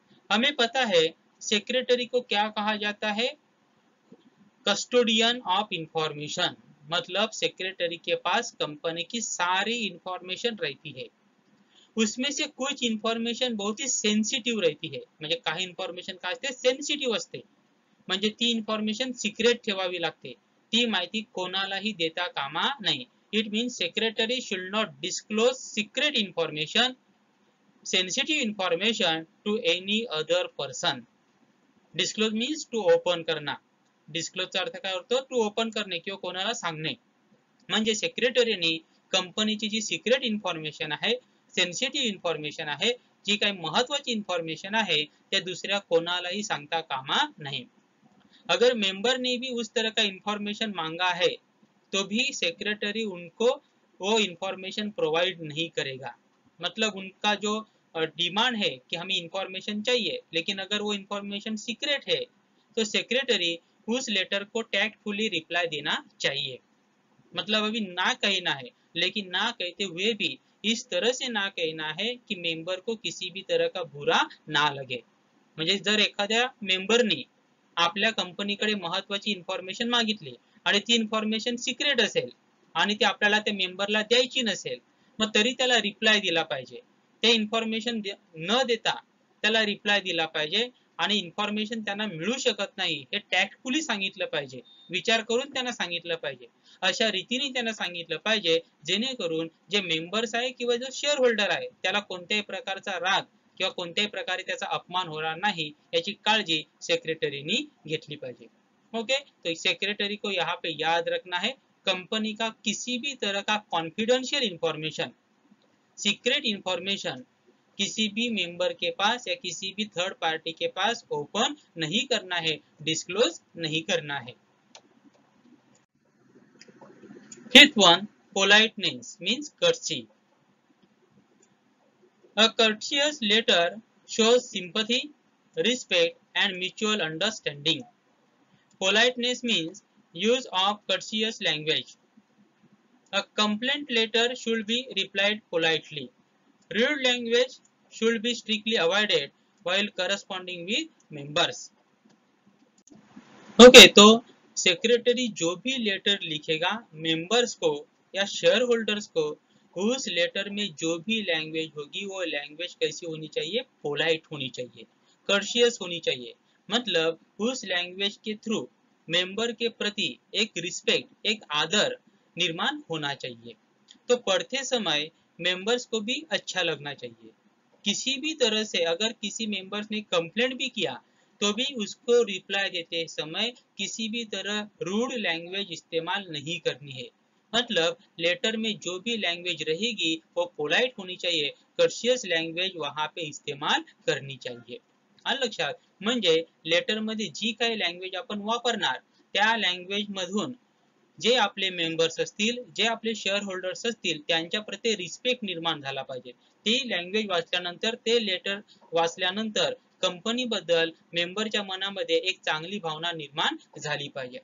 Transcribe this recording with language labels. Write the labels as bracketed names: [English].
[Hindi] हमें पता है सेक्रेटरी को क्या कहा जाता है, [English] Custodian of information. [Hindi] मतलब सेक्रेटरी के पास कंपनी की सारी इन्फॉर्मेशन रहती है, उसमें से कुछ इन्फॉर्मेशन बहुत ही सेंसिटिव रहती है. [Marathi] म्हणजे काही इन्फॉर्मेशन काय असते, सेंसिटिव असते, म्हणजे ती इन्फॉर्मेशन सिक्रेट ठेवावी लागते, ती माहिती कोणालाही देता कामा नाही. [English] It means secretary should not disclose secret information, sensitive information to any other person. Disclose means to open करना. [Marathi] डिस्क्लोजचा अर्थ काय होतो, [English] to open [Marathi] करणे किंवा कोणाला सांगणे. म्हणजे सेक्रेटरीने कंपनीची जी सिक्रेट इन्फॉर्मेशन आहे, सेन्सिटिव्ह इन्फॉर्मेशन आहे, जी काही महत्त्वाची इन्फॉर्मेशन आहे, ते दुसऱ्या कोणालाही सांगता कामा नाही. [Hindi] अगर मेंबरने भी उस तरह का इन्फॉर्मेशन मांगा आहे तो भी सेक्रेटरी उनको वो इन्फॉर्मेशन प्रोवाइड नहीं करेगा. मतलब उनका जो डिमांड है कि हमें इन्फॉर्मेशन चाहिए, लेकिन अगर वो इन्फॉर्मेशन सीक्रेट है तो सेक्रेटरी उस लेटर को टैक्टफुली रिप्लाई देना चाहिए. मतलब अभी ना कहना है, लेकिन ना कहते हुए भी इस तरह से ना कहना है कि मेंबर को किसी भी तरह का बुरा ना लगे. [Marathi] म्हणजे जर एखाद्या मेंबर ने आपल्या कंपनीकडे महत्त्वाची इन्फॉर्मेशन मागितली आणि ती इन्फॉर्मेशन सिक्रेट असेल आणि ती आपल्याला त्या मेंबरला द्यायची नसेल, मग तरी त्याला रिप्लाय दिला पाहिजे. ते इन्फॉर्मेशन न देता त्याला रिप्लाय दिला पाहिजे आणि इन्फॉर्मेशन त्यांना मिळू शकत नाही हे टॅक्टफुली सांगितलं पाहिजे, विचार करून त्यांना सांगितलं पाहिजे, अशा रीतीने त्यांना सांगितलं पाहिजे, जेणेकरून जे मेंबर्स आहे किंवा जो शेअरहोल्डर आहे त्याला कोणत्याही प्रकारचा राग किंवा कोणत्याही प्रकारे त्याचा अपमान होणार नाही याची काळजी सेक्रेटरीनी घेतली पाहिजे. [Hindi] ओके, तर सेक्रेटरी को यहाँ पे याद रखना है, कंपनी का किसी भी तरह का कॉन्फिडेंशियल इन्फॉर्मेशन, सीक्रेट इन्फॉर्मेशन किसी भी मेंबर के पास या किसी भी थर्ड पार्टी के पास ओपन नहीं करना है, डिस्क्लोज नहीं करना है. [English] Fifth one, politeness means courtesy. A courteous letter shows sympathy, respect and mutual understanding. Politeness means use of courteous language. A complaint letter should be replied politely. Rude language should be strictly avoided while corresponding with members. [Hindi] Okay, तो secretary जो भी letter लिखेगा members को या share holders को, उस letter में जो भी लैंग्वेज होगी वो लैंग्वेज कैसी होनी चाहिए, पोलाइट होनी चाहिए. कर्शियस होनी चाहिए, मतलब उस लैंग्वेज के थ्रू मेंबर के प्रति एक रिस्पेक्ट, एक आदर निर्माण होना चाहिए। तो पढ़ते समय मेंबर्स को भी अच्छा लगना चाहिए। किसी भी तरह से अगर किसी मेंबर्स ने कंप्लेंट भी किया तो भी उसको रिप्लाई देते समय किसी भी तरह रूड लैंग्वेज इस्तेमाल नहीं करनी है। मतलब लेटर में जो भी लैंग्वेज रहेगी वो पोलाइट होनी चाहिए, कर्शियस लैंग्वेज वहां पे इस्तेमाल करनी चाहिए। [Marathi] लक्षात, म्हणजे लेटर मध्ये जी काही लैंग्वेज आपण वापरणार त्या लैंग्वेज मधून जे आपले मेंबर्स असतील, जे आपले शेअर होल्डर्स असतील, त्यांच्या प्रति रिस्पेक्ट निर्माण झाला पाहिजे। ती लैंग्वेज वाचल्यानंतर, ते लेटर वाचल्यानंतर कंपनी बद्दल मेंबरच्या मनामध्ये एक चांगली भावना निर्माण झाली पाहिजे।